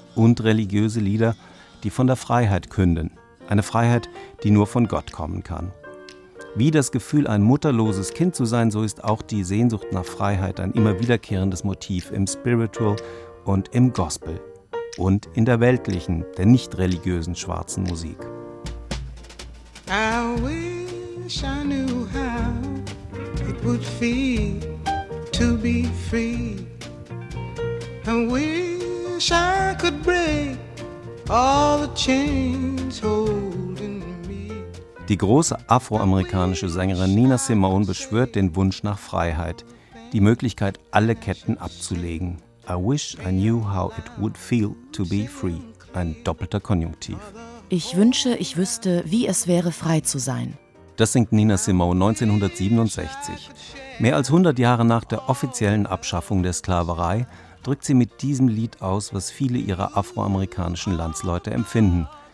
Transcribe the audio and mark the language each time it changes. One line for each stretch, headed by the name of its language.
German: Und religiöse Lieder, die von der Freiheit künden. Eine Freiheit, die nur von Gott kommen kann. Wie das Gefühl, ein mutterloses Kind zu sein, so ist auch die Sehnsucht nach Freiheit ein immer wiederkehrendes Motiv im Spiritual und im Gospel und in der weltlichen, der nicht religiösen schwarzen Musik.
English: I wish I knew how it would feel to be free. I wish I could break all the chains hold.
German: Die große afroamerikanische Sängerin Nina Simone beschwört den Wunsch nach Freiheit, die Möglichkeit, alle Ketten abzulegen.
English: I wish I knew how it would feel to be free.
German: Ein doppelter Konjunktiv. Ich wünsche, ich wüsste, wie es wäre, frei zu sein. Das singt Nina Simone 1967. Mehr als 100 Jahre nach der offiziellen Abschaffung der Sklaverei drückt sie mit diesem Lied aus, was viele ihrer afroamerikanischen Landsleute empfinden.